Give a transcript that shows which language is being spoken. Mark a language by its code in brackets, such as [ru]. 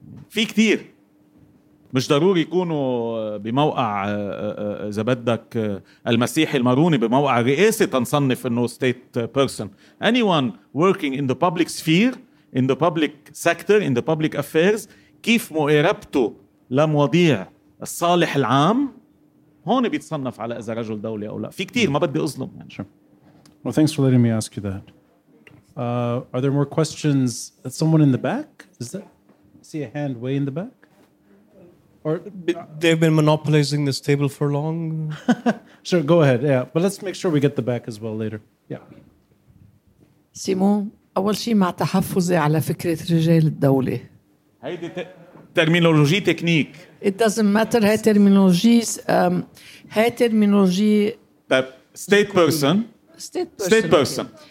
[ar] في كتير, مش ضروري يكونوا بموقع إذا بدك المسيحي الماروني بموقع رئاسي تنصنف إنه [en] state person. Anyone working in the public sphere, in the public sector, in the public affairs, [ar] كيف مقاربته لمواضيع الصالح العام, هون بيتصنف على إذا رجل دولي أو لا. في كتير, ما بدي أظلم يعني. [en] Sure. Well, thanks for letting me ask you that. Are there more questions? Someone in the back? Is that... See a hand way in the back? Or they've been monopolizing this table for long? Sure, go ahead. Yeah, but let's make sure we get the back as well later. Yeah. [ar] سيمون اول شيء مع تحفظي على فكره رجال الدوله هيدي ترمينولوجي تكنيك [en] it doesn't matter [ar] هاي ترمينولوجي هاي ترمينولوجي [en] state person